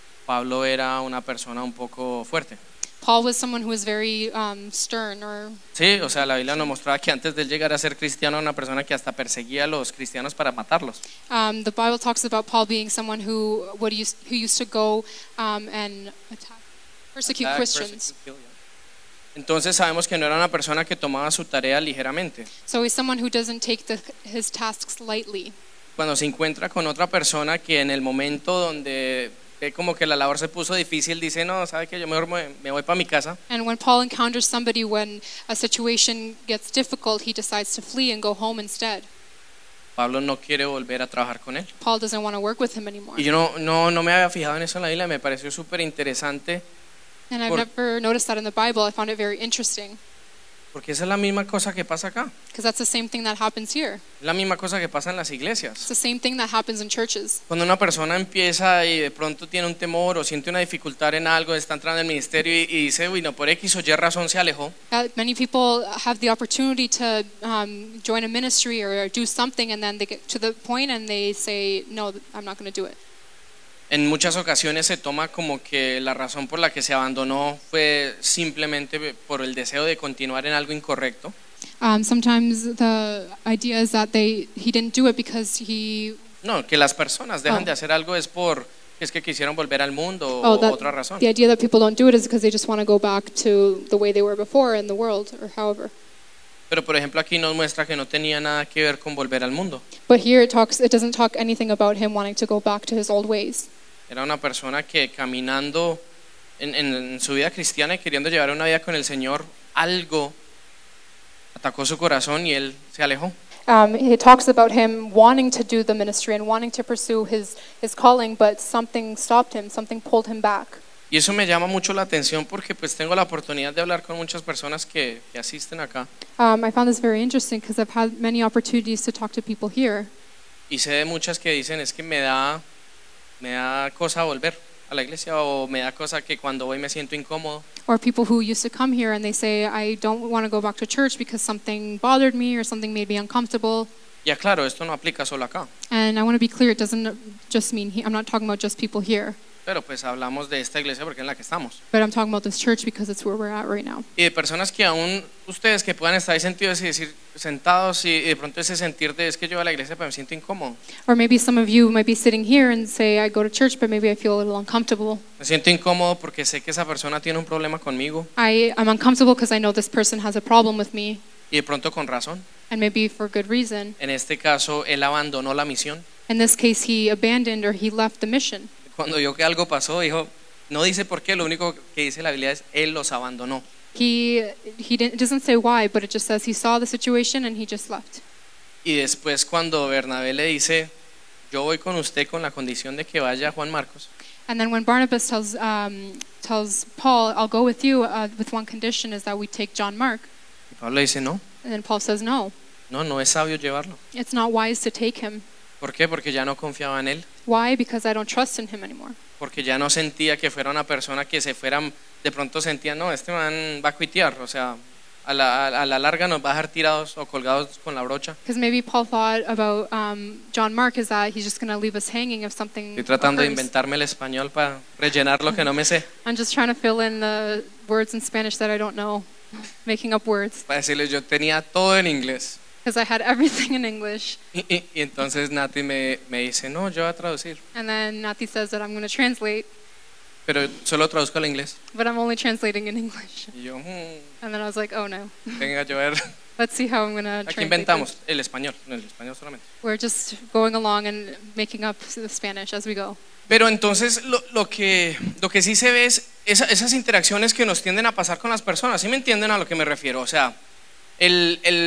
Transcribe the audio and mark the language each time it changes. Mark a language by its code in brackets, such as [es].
[es] Pablo era una persona un poco fuerte. [en] Paul was someone who was very stern. [es] Sí, o sea, la Biblia nos mostraba que antes de llegar a ser cristiano era una persona que hasta perseguía a los cristianos para matarlos. [en] The Bible talks about Paul being someone who used to go and persecute Christians. [es] Entonces sabemos que no era una persona que tomaba su tarea ligeramente. [en] So he's someone who doesn't take his tasks lightly. [es] Cuando se encuentra con otra persona que en el momento donde que como que la labor se puso difícil, dice, no, sabe que yo mejor me voy para mi casa. [en] And when Paul encounters somebody when a situation gets difficult, he decides to flee and go home instead. [es] Pablo no quiere volver a trabajar con él. [en] Paul doesn't want to work with him anymore. [es] Y yo no me había fijado en eso en la Biblia, me pareció súper interesante. [en] And I've never noticed that in the Bible, I found it very interesting. [es] Porque esa es la misma cosa que pasa acá. [en] Because that's the same thing that happens here. [es] La misma cosa que pasa en las iglesias. [en] It's the same thing that happens in churches. [es] Cuando una persona empieza y de pronto tiene un temor o siente una dificultad en algo, está entrando en el ministerio y dice, bueno, por X o Y razón se alejó. [en] Many people have the opportunity to join a ministry or do something and then they get to the point and they say, no, I'm not going to do it. [es] En muchas ocasiones se toma como que la razón por la que se abandonó fue simplemente por el deseo de continuar en algo incorrecto. [en] Sometimes the idea is that he didn't do it because he... [es] No, que las personas dejan de hacer algo es por... Es que quisieron volver al mundo o otra razón. [en] The idea that people don't do it is because they just want to go back to the way they were before in the world or however. [es] Pero por ejemplo aquí nos muestra que no tenía nada que ver con volver al mundo. [en] But here it doesn't talk anything about him wanting to go back to his old ways. [es] Era una persona que caminando en su vida cristiana y queriendo llevar una vida con el Señor, algo atacó su corazón y él se alejó. [en] It talks about him wanting to do the ministry and wanting to pursue his calling, but something stopped him, something pulled him back. [es] Y eso me llama mucho la atención porque pues tengo la oportunidad de hablar con muchas personas que asisten acá. [en] I found this very interesting because I've had many opportunities to talk to people here. [es] Y sé de muchas que dicen es que me da cosa volver a la iglesia o me da cosa que cuando voy me siento incómodo. [en] Or people who used to come here and they say I don't want to go back to church because something bothered me or something made me uncomfortable. [es] Ya claro, esto no aplica solo acá. [en] And I want to be clear, it doesn't just mean I'm not talking about just people here. [es] Pero pues hablamos de esta iglesia porque es la que estamos. [en] But I'm talking about this church because it's where we're at right now. [es] Y de personas que aún ustedes que puedan estar ahí sentidos y decir sentados y de pronto ese sentir de es que yo voy a la iglesia pero me siento incómodo. [en] Or maybe some of you might be sitting here and say I go to church but maybe I feel a little uncomfortable. [es] Me siento incómodo porque sé que esa persona tiene un problema conmigo. [en] I'm uncomfortable because I know this person has a problem with me. [es] Y de pronto con razón. [en] And maybe for good reason. [es] En este caso él abandonó la misión. [en] In this case he abandoned or he left the mission. [es] Cuando vio que algo pasó, dijo, no dice por qué, lo único que dice la Biblia es, él los abandonó. [en] He doesn't say why, but it just says he saw the situation and he just left. [es] Y después cuando Bernabé le dice, yo voy con usted con la condición de que vaya Juan Marcos. [en] And then when Barnabas tells Paul, I'll go with you, with one condition is that we take John Mark. [es] Y Pablo dice, no. [en] And then Paul says, no. [es] No, no es sabio llevarlo. [en] It's not wise to take him. [es] ¿Por qué? Porque ya no confiaba en él. [en] Why? Because I don't trust in him anymore. [es] Porque ya no sentía que fuera una persona que se fuera, de pronto sentía, no, este man va a cuitear, o sea, a la larga nos va a dejar tirados o colgados con la brocha. [en] Because maybe Paul thought about John Mark is that he's just going to leave us hanging if something [es] Estoy tratando [en] occurs. [es] De inventarme el español para rellenar lo que no me sé. [en] I'm just trying to fill in the words in Spanish that I don't know, making up words. [es] Para decirles, yo tenía todo en inglés. [en] Because I had everything in English. [es] Y entonces Nati me dice, no, yo voy a traducir. [en] And then Nati says that I'm going to translate. [es] Pero solo traduzco al inglés. [en] But I'm only translating in English. [es] Y yo, [en] And then I was like, oh no. [es] Venga, yo a ver. [en] Let's see how I'm going to translate. [es] Aquí inventamos el español, no el español solamente. [en] We're just going along and making up the Spanish as we go. [es] Pero entonces lo que sí se ve es esas interacciones que nos tienden a pasar con las personas. ¿Sí me entienden a lo que me refiero? O sea, el